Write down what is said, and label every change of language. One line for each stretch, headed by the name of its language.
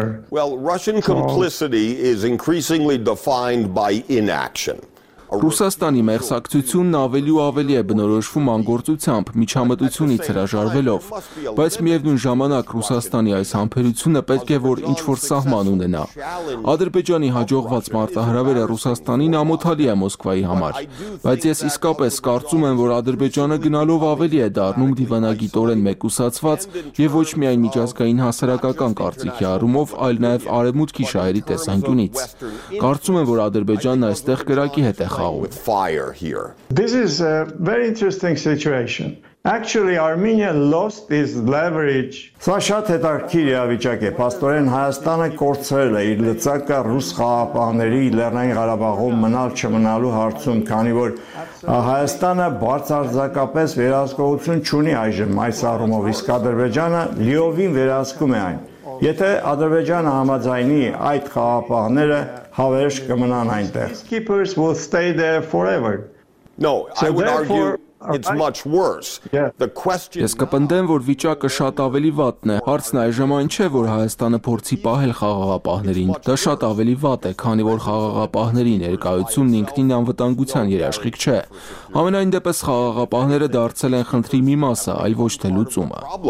English: Well, Russian complicity is increasingly defined by inaction.
Armenian: Ռուսաստանի մեղսակցությունն ավելի ու ավելի է բնորոշվում անգործությամբ, միջամտությունից հրաժարվելով, բայց միևնույն ժամանակ Ռուսաստանի այս համբերությունը պետք է որ ինչ-որ սահման ունենա։ Ադրբեջանի հաջողված մարտահրավերը Ռուսաստանին ամոթալի է Մոսկվայի համար, բայց ես իսկապես կարծում եմ, որ Ադրբեջանը գնալով ավելի է դառնում դիվանագիտորեն մեկուսացված եւ ոչ միայն միջազգային հասարակական կարծիքի առումով, այլ նաեւ արևմուտքի շահերի տեսանկյունից։ Կարծում եմ, որ Ադրբեջանն այստեղ կրակի հետ
English: with fire here. This is a very interesting situation. Actually, Armenia lost its leverage.
Armenian: Սա շատ հետաքրքիր իրավիճակ է։ Պաստորեն Հայաստանը կորցրել է իր լծակը ռուս խաղապահների Լեռնային Ղարաբաղում մնալ չմնալու հարցում, քանի որ Հայաստանը բարձրաձակապես վերահսկողություն չունի այժմ այս առումով, իսկ Ադրբեջանը լիովին վերահսկում է այն։ Եթե Ադրբեջանը համաձայնի այդ խաղապահները հավերժ կմնան այնտեղ։
English: Keepers will stay there forever. No, I would argue it's much worse. The question
Armenian: Ես կպնդեմ, որ վիճակը շատ ավելի վատն է։ Հարցն այժմայն չէ, որ Հայաստանը փորձի պահել խաղաղապահներին։ Դա շատ ավելի վատ է, քանի որ խաղաղապահների ներկայությունն ինքնին անվտանգության երաշխիք չէ։ Համենայն դեպս խաղաղապահները դարձել են խնդրի մի մասը, այլ ոչ թե լուծումը։